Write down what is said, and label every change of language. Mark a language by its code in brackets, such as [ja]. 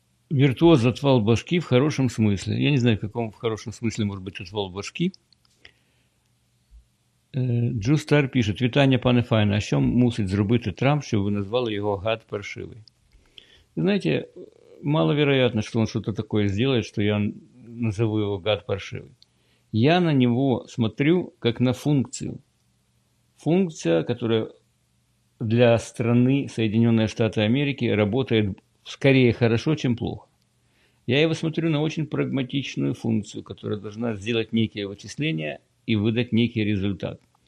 [ru] Виртуоз отвал башки в хорошем смысле. Я не знаю, в каком в хорошем смысле может быть отвал башки. [uk] Джу Стар пишет. Вітання, пане Файн. А що мусить зробити Трамп, щоб ви назвали його гад паршивий? Знаєте, маловероятно, що він щось таке зробить, що я назову його гад паршивий. Я на нього смотрю, як на функцію. [ru] Функция, которая для страны Соединенные Штаты Америки работает скорее хорошо, чем плохо. Я его смотрю на очень прагматичную функцию, которая должна сделать некие вычисления и выдать некий результат.